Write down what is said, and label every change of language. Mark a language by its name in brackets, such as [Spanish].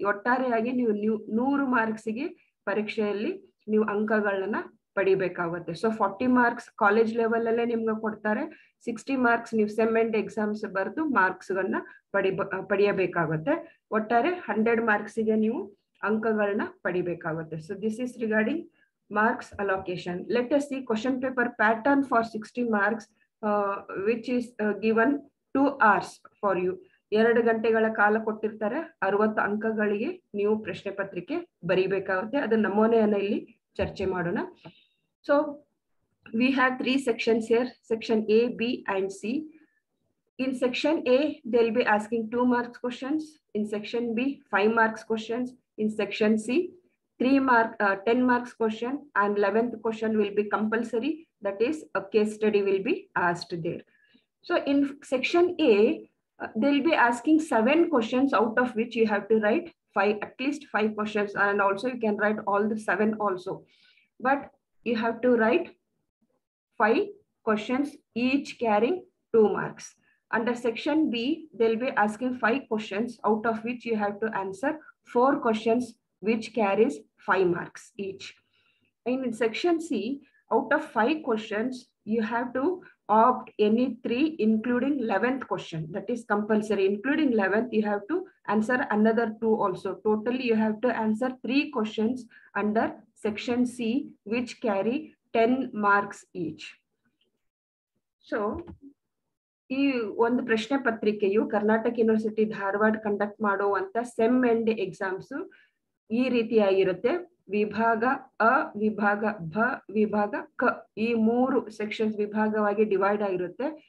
[Kannada] ಒಟ್ಟಾರೆಯಾಗಿ ನೀವು 100 ಮಾರ್ಕ್ಸ್ ಗೆ ಪರೀಕ್ಷೆಯಲ್ಲಿ ನೀವು ಅಂಕಗಳನ್ನ ಪಡಿಬೇಕಾಗುತ್ತೆ. ಸೊ 40 ಮಾರ್ಕ್ಸ್ ಕಾಲೇಜ್ ಲೆವೆಲ್ ಅಲ್ಲೇ ನಿಮ್ಗೆ ಕೊಡ್ತಾರೆ, 60 ಮಾರ್ಕ್ಸ್ ನೀವು ಸೆಮ್ ಅಂಡ್ ಎಕ್ಸಾಮ್ಸ್ ಬರೆದು ಮಾರ್ಕ್ಸ್ ಗಳನ್ನ ಪಡೆಯಬೇಕಾಗುತ್ತೆ. ಒಟ್ಟಾರೆ 100 ಮಾರ್ಕ್ಸ್ ಗೆ ನೀವು ಅಂಕಗಳನ್ನ ಪಡಿಬೇಕಾಗುತ್ತೆ. [English] So this is regarding marks allocation. Let us see question paper pattern for 60 marks, which is given 2 hours for you. [Kannada] 2 ಗಂಟೆಗಳ ಕಾಲ ಕೊಟ್ಟಿರ್ತಾರೆ, 60 ಅಂಕಗಳಿಗೆ ನೀವು ಪ್ರಶ್ನೆ ಪತ್ರಿಕೆ ಬರಿಬೇಕಾಗುತ್ತೆ. ಅದನ್ನ ನಮೂನೆಯನ್ನ ಇಲ್ಲಿ ಚರ್ಚೆ ಮಾಡೋಣ. [English] So we have 3 sections here, section A, B and C. [Kannada] In section A they'll B asking 2 marks questions, in section B 5 marks questions, in section C [English] 10 marks question and 11th question will be compulsory, that is a case study will be asked there. So in section A, they'll be asking 7 questions, out of which you have to write at least five questions, and also you can write all the 7 also, but you have to write 5 questions each carrying 2 marks. Under section B, they'll be asking 5 questions, out of which you have to answer 4 questions which carries 5 marks each. In section C, out of 5 questions, you have to opt any 3, including 11th question, that is compulsory. Including 11th, you have to answer another 2 also. Totally, you have to answer 3 questions under section C, which carry 10 marks each. [Kannada] So ಈ ಒಂದು ಪ್ರಶ್ನೆ ಪತ್ರಿಕೆಯು Karnataka university Dharwad conduct ಮಾಡುವಂತ sem and exams ಈ ರೀತಿಯಾಗಿರುತ್ತೆ. ವಿಭಾಗ ಅ, ವಿಭಾಗ ಭ, ವಿಭಾಗ ಕ, ಈ 3 ಸೆಕ್ಷನ್ಸ್ ವಿಭಾಗವಾಗಿ ಡಿವೈಡ್ ಆಗಿರುತ್ತೆ.